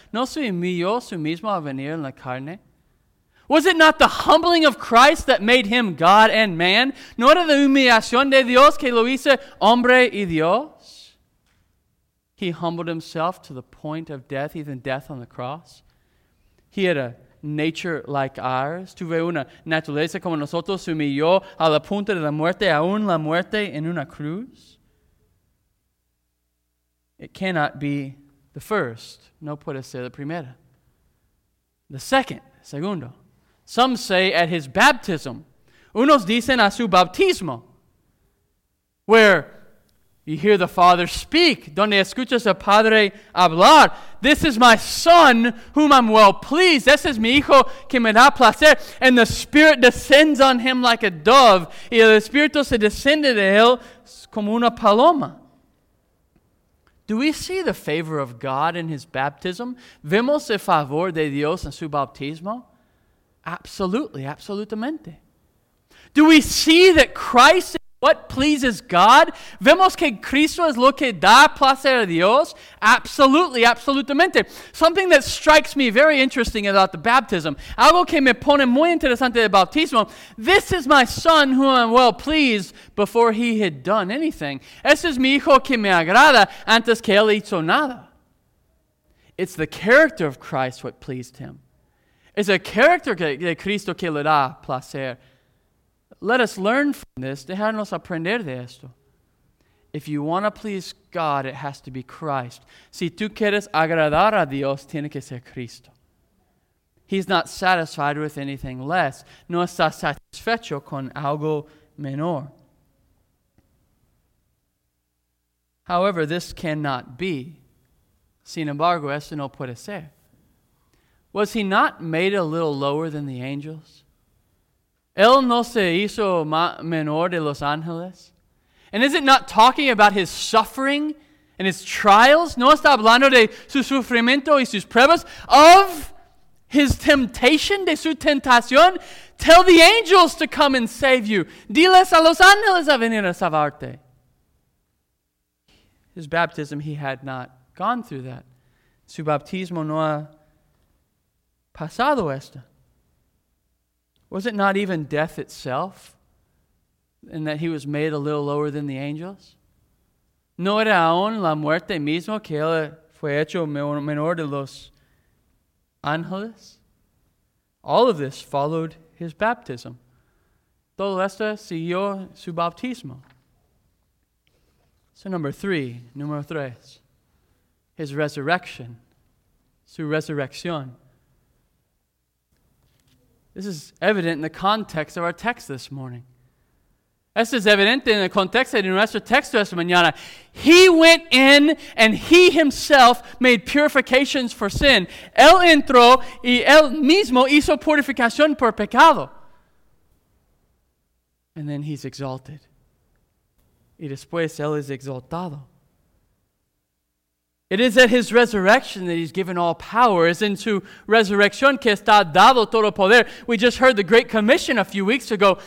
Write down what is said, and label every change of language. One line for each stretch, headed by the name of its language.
Spanish: ¿No se humilló su mismo a venir en la carne?
English: Was it not the humbling of Christ that made him God and man?
Spanish: ¿No era la humillación de Dios que lo hizo hombre y Dios?
English: He humbled himself to the point of death, even death on the cross. He had a nature like ours.
Spanish: Tuve una naturaleza como nosotros. Se humilló a la punta de la muerte, aún la muerte en una cruz.
English: It cannot be the first.
Spanish: No puede ser la primera.
English: The second,
Spanish: segundo.
English: Some say at his baptism.
Spanish: Unos dicen a su bautismo.
English: Where you hear the Father speak.
Spanish: Donde escuchas al Padre hablar.
English: This is my Son whom I'm well pleased.
Spanish: Este es mi Hijo que me da placer.
English: And the Spirit descends on him like a dove.
Spanish: Y el Espíritu se desciende de él como una paloma.
English: Do we see the favor of God in his baptism?
Spanish: ¿Vemos el favor de Dios en su bautismo?
English: Absolutely,
Spanish: absolutamente.
English: Do we see that Christ is what pleases God?
Spanish: ¿Vemos que Cristo es lo que da placer a Dios?
English: Absolutely,
Spanish: absolutamente.
English: Something that strikes me very interesting about the baptism,
Spanish: algo que me pone muy interesante del bautismo,
English: this is my Son whom I'm well pleased before he had done anything.
Spanish: Este es mi Hijo que me agrada antes que él hizo nada.
English: It's the character of Christ what pleased him. It's the character
Spanish: de Cristo que le da placer.
English: Let us learn from this.
Spanish: Dejarnos aprender de esto.
English: If you want to please God, it has to be Christ.
Spanish: Si tú quieres agradar a Dios, tiene que ser Cristo.
English: He's not satisfied with anything less.
Spanish: No está satisfecho con algo menor.
English: However, this cannot be.
Spanish: Sin embargo, esto no puede ser.
English: Was he not made a little lower than the angels?
Spanish: ¿Él no se hizo menor de los ángeles?
English: And is it not talking about his suffering and his trials.
Spanish: No está hablando de su sufrimiento y sus pruebas.
English: Of his temptation, de su tentación. Tell the angels to come and save you.
Spanish: Diles a los ángeles a venir a salvarte.
English: His baptism, he had not gone through that.
Spanish: Su bautismo no ha pasado esto.
English: Was it not even death itself? In that he was made a little lower than the angels?
Spanish: ¿No era aún la muerte mismo que él fue hecho menor de los ángeles?
English: All of this followed his baptism.
Spanish: Todo esto siguió su bautismo.
English: So
Spanish: número tres,
English: his resurrection,
Spanish: su resurrección.
English: This is evident in the context of our text this morning.
Spanish: Esto es evidente en el contexto de nuestro texto esta mañana.
English: He went in and he himself made purifications for sin.
Spanish: Él entró y él mismo hizo purificación por pecado.
English: And then he's exalted.
Spanish: Y después él es exaltado.
English: It is at his resurrection that he's given all power.
Spanish: Es en su resurrección que está dado todo poder.
English: We just heard the Great Commission a few weeks ago.